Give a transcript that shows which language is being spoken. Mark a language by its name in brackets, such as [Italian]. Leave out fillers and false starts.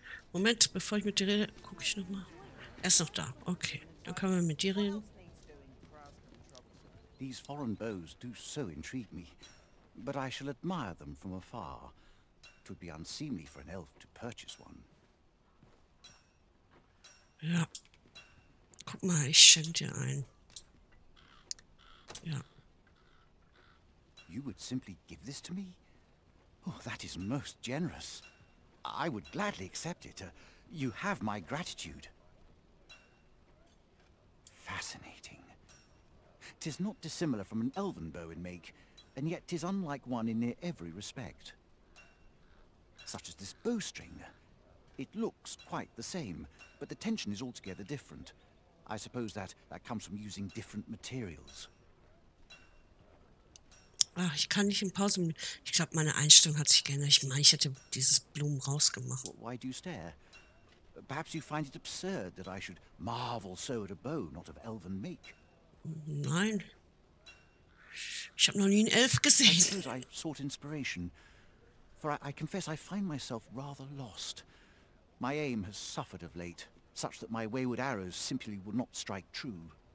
[German] Moment, bevor ich mit dir rede, gucke ich nochmal. Er ist noch da. Okay, dann können wir mit dir reden. [English] These foreign bows do so intrigue me, but I shall admire them from afar. It would be unseemly for an elf to purchase one. [German] Ja. Guck mal, ich schenke dir ein. Ja. [English] You would simply give this to me? Oh, that is most generous. I would gladly accept it. You have my gratitude. Fascinating. Tis not dissimilar from an elven bow in make, and yet tis unlike one in near every respect. Such as this bowstring. It looks quite the same, but the tension is altogether different. I suppose that comes from using different materials. [German] Ach, ich kann nicht in Pause. Ich glaube, meine Einstellung hat sich geändert. Ich meine, ich hätte dieses Blumen rausgemacht. [English] Why do you stare? Perhaps you find it absurd that I should marvel so at a bow, not of elven make. [German] Nein. Ich habe noch nie einen Elf gesehen. [English] I suppose I sought inspiration. For I confess I find myself rather lost. My aim has suffered of late, such that my wayward arrows simply would not strike true.